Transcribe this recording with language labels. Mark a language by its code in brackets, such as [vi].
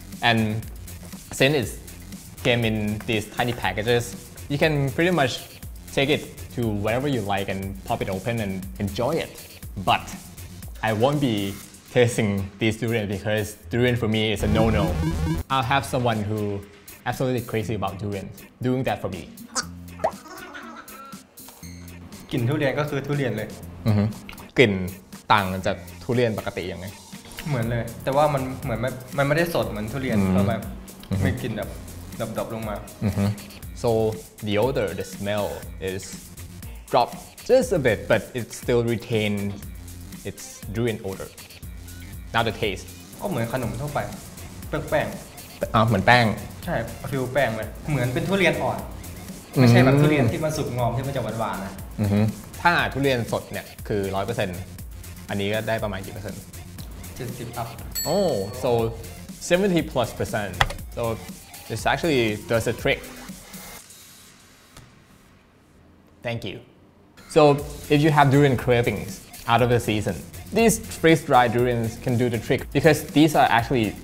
[en] And since it came in these tiny packages, you can pretty much take it to wherever you like and pop it open and enjoy it. But I won't be tasting these durian, because durian for me is a no-no. I'll have someone who absolutely crazy about durian doing that for me. [th] กลิ่นทุเรียนก็คือทุเรียนเลย กลิ่นต่างจากทุเรียนปกติยังไง เหมือนเลยแต่ว่ามันเหมือนมันไม่ได้สดเหมือนทุเรียนแบบมีกลิ่นแบบดับๆลงมา [en] So the odor, the smell is dropped just a bit, but it still retains its durian odor. Now the taste [th] ก็เหมือนขนมทั่วไปแป้ง อ๋อเหมือนแป้ง ใช่ฟิวแป้งเลยเหมือนเป็นทุเรียนอ่อนไม่ใช่แบบทุเรียนที่มันสุกงอมที่มันจะหวานๆนะ ถ้าทุเรียนสดเนี่ยคือ 100% อันนี้ก็ได้ประมาณกี่เปอร์เซ็นต์70ครับ [en] โอ้ so 70 plus percent so this actually does a trick thank you so if you have durian cravings out of the season these freeze dried durians can do the trick because these are actually